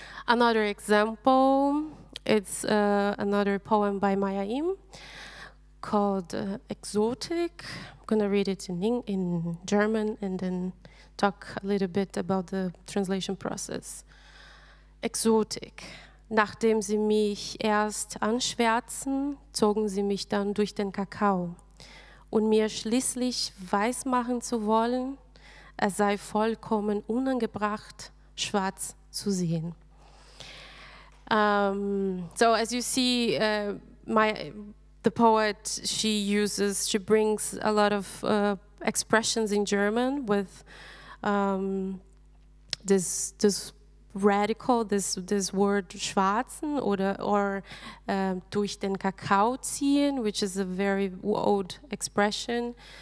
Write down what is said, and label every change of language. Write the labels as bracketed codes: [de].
[en] Another example, it's another poem by May Ayim called Exotic. I'm going to read it in German and then talk a little bit about the translation process. [de] Exotik. Nachdem sie mich erst anschwärzen, zogen sie mich dann durch den Kakao. Und mir schließlich weismachen zu wollen, es sei vollkommen unangebracht, schwarz zu sehen. [en] So as you see, the poet, she brings a lot of expressions in German with this radical, this word schwarzen or [de] durch den Kakao ziehen, [en] which is a very old expression.